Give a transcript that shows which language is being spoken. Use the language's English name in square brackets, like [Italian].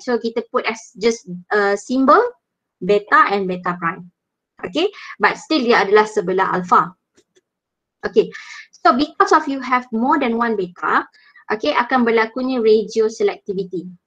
[English] So kita put as just symbol beta and beta prime. [Malay] Okay, but still dia adalah sebelah alpha. [English] Okay, so because of you have more than one beta, okay, [Malay] akan berlakunya [English] radio selectivity.